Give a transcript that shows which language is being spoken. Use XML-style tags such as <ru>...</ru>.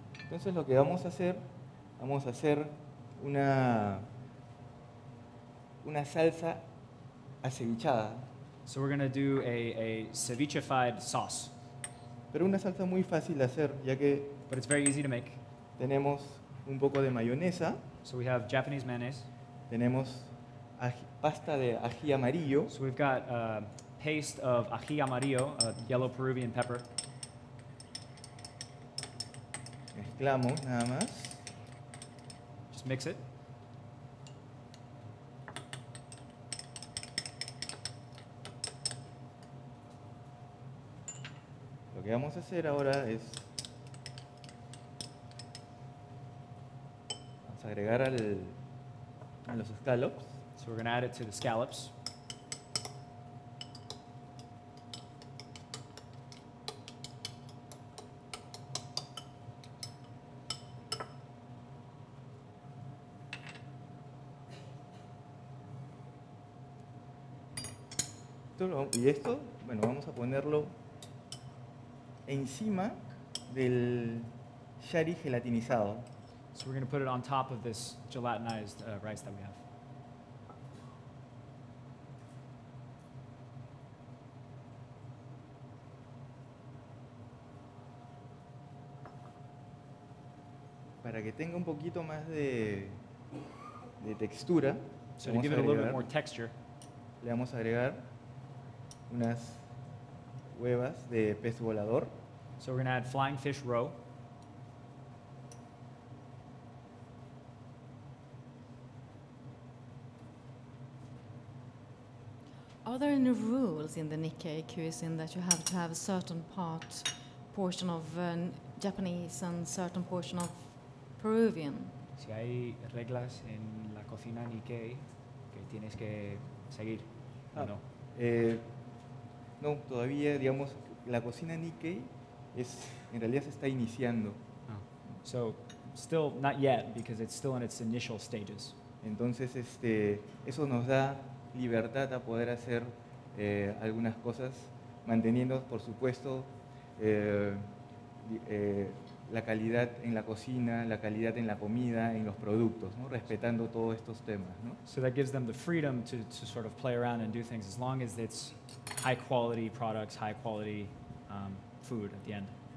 <es>Entonces lo que vamos a hacer una salsa acevichada.</es> <en>So we're going to do a ceviche-fied sauce.</en> <es>Pero una salsa muy fácil de hacer, ya que...</es> <en>But it's very easy to make.</en> <es>Tenemos un poco de mayonesa.</es> <en>So we have Japanese mayonnaise.</en> <es>Tenemos pasta de ají amarillo.</es> <en>So we've got a paste of ají amarillo, a yellow Peruvian pepper.</en> <es>Mezclamos nada más.</es> <en>Just mix it.</en> <es>Lo que vamos a hacer ahora es vamos a agregar a los escalops.</es> <en>So we're going to add it to the scallops.</en> <es>Y esto, bueno, vamos a ponerlo encima del shari gelatinizado.</es> <en>So we're going to put it on top of this gelatinized rice that we have.</en> <es>Para que tenga un poquito más de textura.</es> <en>So to give it a little bit more texture.</en> <es>Le vamos a agregar unas huevas de pez volador.</es> <en>So we're going to add flying fish roe. Are there any rules in the Nikkei cuisine that you have to have a certain portion of Japanese and certain portion of Peruvian?</en> <es>Si hay reglas en la cocina Nikkei que tienes que seguir, ¿no? No, todavía, digamos, la cocina Nikkei es, en realidad, se está iniciando. Oh.</es> <en>So, still not yet, because it's still in its initial stages.</en> <es>Entonces, eso nos da libertad a poder hacer algunas cosas, manteniendo, por supuesto, la calidad en la cocina, la calidad en la comida, en los productos, ¿no? Respetando todos estos temas, ¿no?</es> <en>So that gives them the freedom to sort of play around and do things as long as it's high quality products, high quality food at the end.</en>